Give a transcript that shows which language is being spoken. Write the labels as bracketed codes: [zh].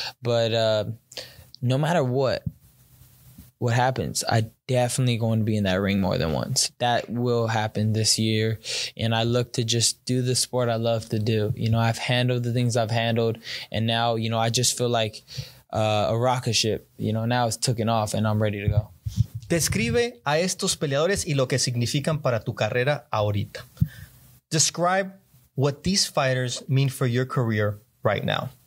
[en] But no matter what happens, I definitely going to be in that ring more than once. That will happen this year. And I look to just do the sport I love to do. You know, I've handled the things I've handled. And now, you know, I just feel like a rocket ship. You know, now it's taken off and I'm ready to go. [es] Describe a estos peleadores y lo que significan para tu carrera ahorita. [en] Describe what these fighters mean for your career right now.